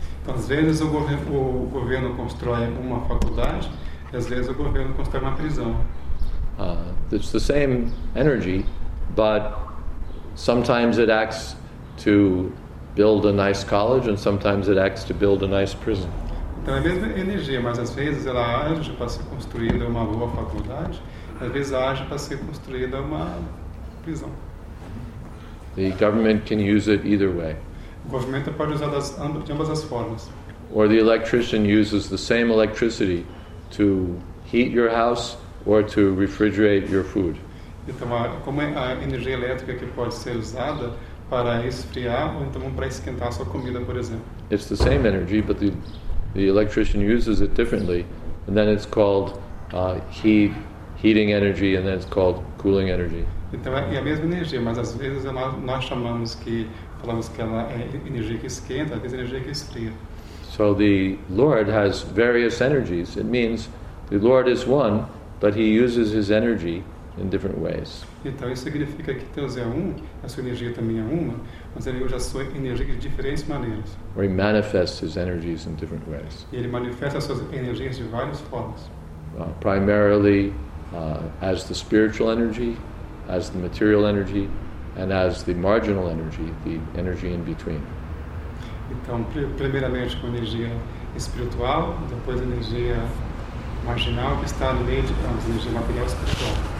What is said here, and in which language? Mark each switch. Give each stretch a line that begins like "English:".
Portuguese: Às vezes o governo constrói uma faculdade, às vezes o governo constrói uma prisão.
English: It's the same energy, but sometimes it acts to build a nice college and sometimes it acts to build a nice prison.
Portuguese: Então é a mesma energia, mas às vezes ela age para ser construída uma boa faculdade, às vezes age para ser construída uma prisão.
English: The government can use it either way.
Portuguese: O governo pode usar de ambas as formas.
English: Or the electrician uses the same electricity to heat your house or to refrigerate your food.
Portuguese: Então, como é a energia elétrica que pode ser usada para esfriar ou então para esquentar a sua comida, por exemplo?
English: It's the same energy, but the electrician uses it differently, and then it's called heating energy, and then it's called cooling energy.
Portuguese: Então é a mesma energia, mas às vezes nós falamos que ela é energia que esquenta, às vezes é energia que esfria.
English: So the Lord has various energies. It means the Lord is one, but he uses his energy in different ways.
Portuguese: Então isso significa que Deus é um, a sua energia também é uma, mas ele usa a sua energia de diferentes maneiras.
English: Or he manifests his energies in different ways.
Portuguese: E ele manifesta as suas energias de várias formas.
English: Primarily as the spiritual energy, as the material energy, and as the marginal energy, the energy in between.
Portuguese: Então, primeiramente com energia espiritual, depois energia marginal que está no meio de as energias materiais espiritual.